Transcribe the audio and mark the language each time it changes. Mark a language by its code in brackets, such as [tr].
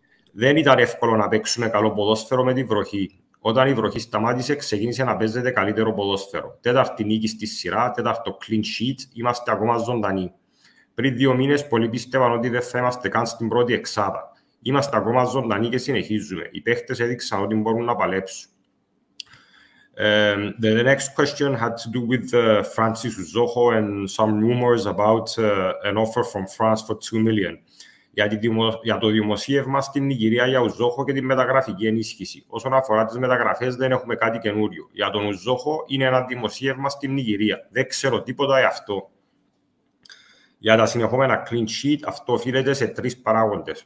[el] Δεν ήταν εύκολο να παίξουμε καλό ποδόσφαιρο με τη βροχή. Όταν η βροχή σταμάτησε, ξεκίνησε να παίζεται καλύτερο ποδόσφαιρο. Τέταρτη νίκη στη σειρά, τέταρτο clean sheet, είμαστε ακόμα ζωντανοί. Πριν δύο μήνες, πολλοί πίστευαν ότι δεν θα είμαστε καν στην πρώτη εξάδα. Είμαστε ακόμα ζωντανοί και συνεχίζουμε. Οι παίχτες έδειξαν ότι μπορούν να παλέψουν. [en] The next question had to do with Francis Uzoho and some rumors about an offer from France for 2 million. [el] Για το δημοσίευμα στην Νιγηρία για Uzoho και τη μεταγραφική ενίσχυση. Όσον αφορά τις μεταγραφές, δεν έχουμε κάτι καινούριο. Για τον Uzoho είναι ένα δημοσίευμα στην Νιγηρία. Δεν ξέρω τίποτα γι' αυτό. Για τα συνεχόμενα clean sheet, αυτό οφείλεται σε τρεις παράγοντες.